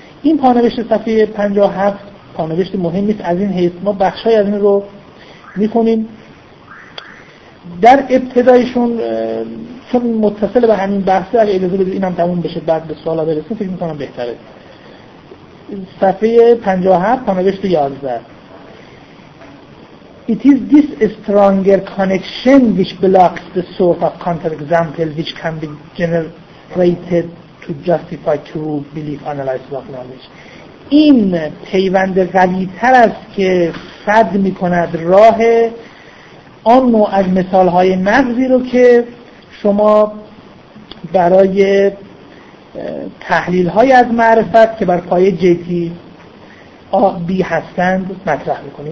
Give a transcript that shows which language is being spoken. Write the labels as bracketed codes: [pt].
[fa] این پانوشت صفحه 57 پانوشت مهمی است از این حیث ما بخشای از این رو می‌خونیم. در ابتدایشون چون متصل به همین بحث علی اجازه بدید اینم تموم بشه بعد به سوالا برسیم، فکر می‌کنم بهتره. صفحه 57 پانوشت 11 [en] It is this stronger connection which blocks the sort of counter-example which can be generated to justify true belief analysis of knowledge. [fa] این پیوند قوی‌تر است که سد می‌کند راه آن نوع از مثال‌های نقضی رو که شما برای تحلیل‌های از معرفت که بر پایه جدی آ بی هستند مطرح میکنیم.